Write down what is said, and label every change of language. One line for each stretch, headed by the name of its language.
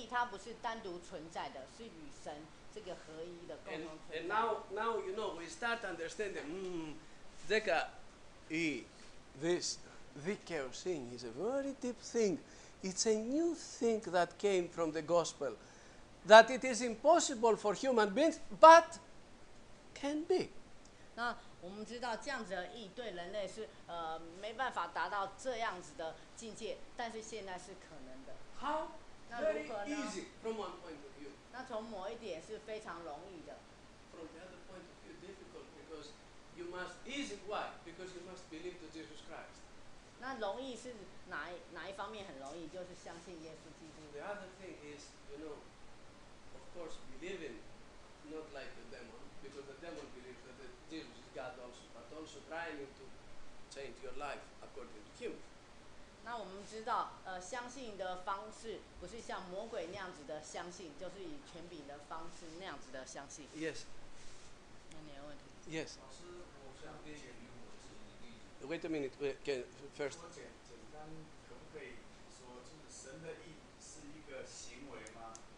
Chinese: 不是单独存在的，是与神这个合一的共同存在。
English: And now you know we start understanding.
Chinese: 这个
English: this thing is a very deep thing. It's a new thing that came from the gospel, that it is impossible for human beings, but can be.
Chinese: 那我们知道这样子的义对人类是没办法达到这样子的境界，但是现在是可能的。
English: 好。Very easy from one point of view.
Chinese: 那从某一点是非常容易的。
English: From the other point of view, difficult because you must easy why? Because you must believe to Jesus Christ.
Chinese: 那容易是哪一方面很容易？就是相信耶稣基督。
English: The other thing is, you know, of course, believing not like the demon, because the demon believes that Jesus is God also, but also trying to change your life according to Him.
Chinese: 那我们知道，相信的方式不是像魔鬼那样子的相信，就是以权柄的方式那样子的相信。
English: Yes。
Chinese: 那你有问题
English: ？Yes。
Chinese: 老师，我想给你一个例子。
English: Wait a minute. We can first.
Chinese: 我简单，可不可以说，就是神的义是一个行为吗？